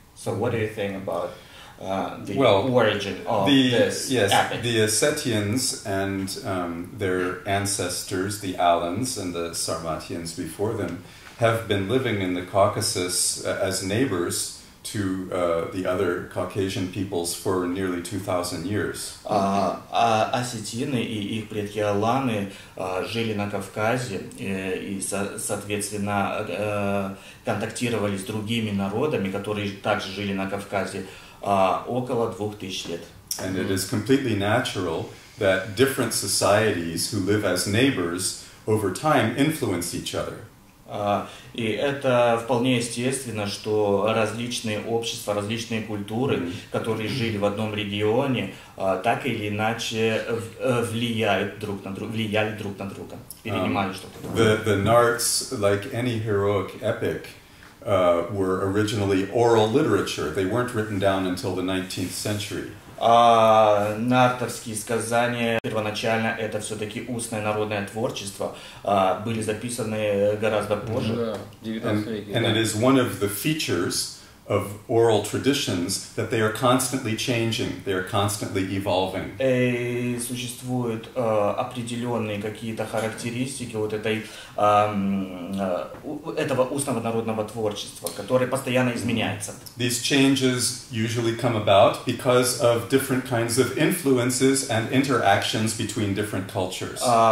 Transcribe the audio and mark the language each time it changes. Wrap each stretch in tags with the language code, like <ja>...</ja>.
<en>So what do you think about the origin of this epic? The Ossetians and their ancestors, the Alans and the Sarmatians before them, have been living in the Caucasus as neighbors to the other Caucasian peoples for nearly 2,000 years.</en> <ru>Осетины и их предки Аланы жили на Кавказе и, соответственно, контактировали с другими народами, которые также жили на Кавказе около 2000 лет.</ru> <en>And it is completely natural that different societies who live as neighbors over time influence each other.</en> <ru>И это вполне естественно, что различные общества, различные культуры, которые жили в одном регионе, так или иначе влияли друг на друга, перенимали что-то.</ru> <en>The Narts, like any heroic epic, were originally oral literature. They weren't written down until the 19th century.</en> <ru>Нартовские сказания, первоначально это все-таки устное народное творчество, были записаны гораздо позже. Да, 19 веке.</ru> <en>And it is one of the features of oral traditions that they are constantly changing, they are constantly evolving.</en> <ru>Существуют определенные какие-то характеристики вот этой этого устного народного творчества, которое постоянно изменяется.</ru> <en>These changes usually come about because of different kinds of influences and interactions between different cultures.</en>